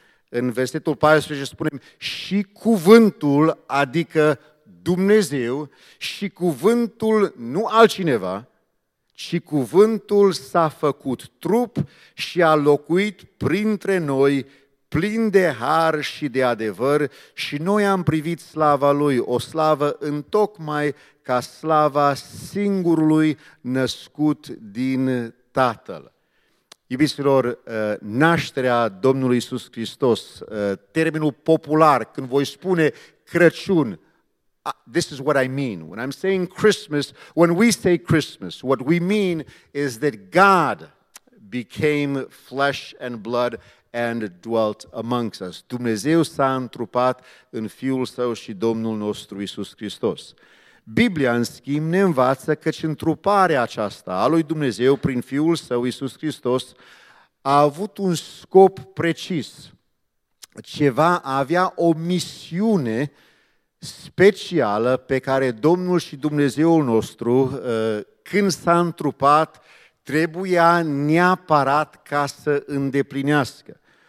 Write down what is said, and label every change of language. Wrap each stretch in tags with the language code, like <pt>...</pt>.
<ro>În versetul 14 spunem și Cuvântul, adică Dumnezeu, și Cuvântul, nu altcineva, ci Cuvântul s-a făcut trup și a locuit printre noi, plin de har și de adevăr, și noi am privit slava Lui, o slavă întocmai ca slava singurului născut din Tatăl. Iubiților, nașterea Domnului Iisus Hristos, termenul popular, când voi spune Crăciun,</ro> <en>this is what I mean. When I'm saying Christmas, when we say Christmas, what we mean is that God became flesh and blood and dwelt amongst us.</en> <ro>Dumnezeu s-a întrupat în Fiul Său și Domnul nostru Iisus Hristos. Biblia, în schimb, ne învață că întruparea aceasta a lui Dumnezeu prin Fiul Său, Iisus Hristos, a avut un scop precis. Ceva avea o misiune specială pe care Domnul și Dumnezeul nostru, când s-a întrupat, trebuia neapărat ca să îndeplinească.</ro>